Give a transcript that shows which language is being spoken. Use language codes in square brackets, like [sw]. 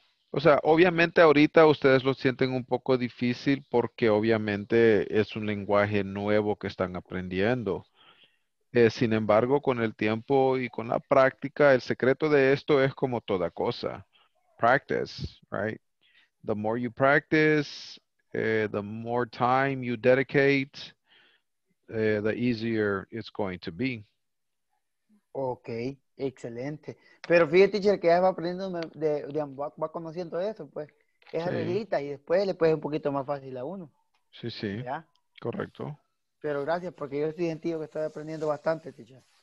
[es] O sea, obviamente ahorita ustedes lo sienten un poco difícil porque obviamente es un lenguaje nuevo que están aprendiendo. Sin embargo, con el tiempo y con la práctica, el secreto de esto es como toda cosa. [en] Practice, right? The more you practice, the more time you dedicate, the easier it's going to be. [es] Okay. Excelente. Pero fíjate, teacher, que ya va aprendiendo, va conociendo eso, pues. Es sí. Arreglita y después le puedes un poquito más fácil a uno. Sí, sí. ¿Ya? Correcto. Pero gracias, porque yo estoy sentido que estoy aprendiendo bastante, teacher.